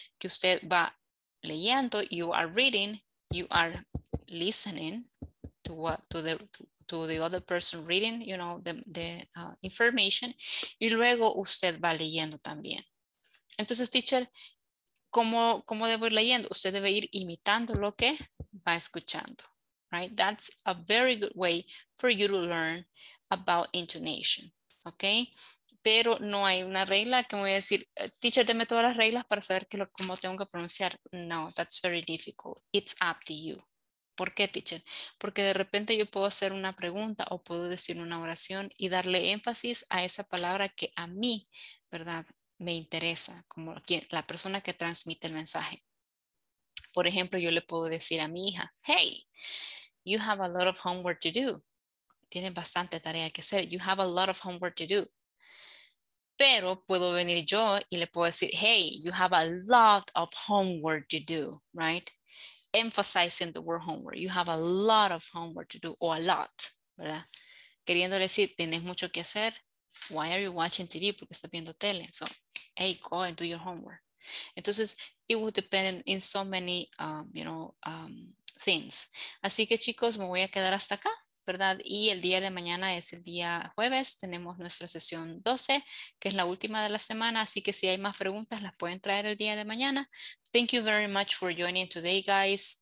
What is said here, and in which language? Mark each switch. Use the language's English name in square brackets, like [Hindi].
[Spanish] Que usted va leyendo, [English] you are reading, you are listening to the other person reading, you know, the information, [Spanish] y luego usted va leyendo también. Entonces, teacher, ¿cómo debo ir leyendo? Usted debe ir imitando lo que va escuchando, right? [English] That's a very good way for you to learn about intonation, okay? [Spanish] Pero no hay una regla que voy a decir, teacher, deme todas las reglas para saber cómo tengo que pronunciar. [English] No, that's very difficult. It's up to you. [Spanish] ¿Por qué, [English] teacher? [Spanish] Porque de repente yo puedo hacer una pregunta o puedo decir una oración y darle énfasis a esa palabra que a mí, ¿verdad? Me interesa, como la persona que transmite el mensaje. Por ejemplo, yo le puedo decir a mi hija, [English] hey, you have a lot of homework to do. [Spanish] Tienes bastante tarea que hacer. [English] You have a lot of homework to do. [Spanish] Pero puedo venir yo y le puedo decir, [English] hey, you have a lot of homework to do, right? Emphasizing the word homework. You have a lot of homework to do, or a lot, ¿verdad? [Spanish] queriendo decir, tienes mucho que hacer. [English] Why are you watching TV? [Spanish] Porque estás viendo tele. [English] So, hey, go and do your homework. Entonces, it would depend in so many, you know, things. [Spanish] Así que chicos, me voy a quedar hasta acá, ¿verdad? Y el día de mañana es el día jueves. Tenemos nuestra sesión 12, que es la última de la semana. Así que si hay más preguntas, las pueden traer el día de mañana. [English] Thank you very much for joining today, guys.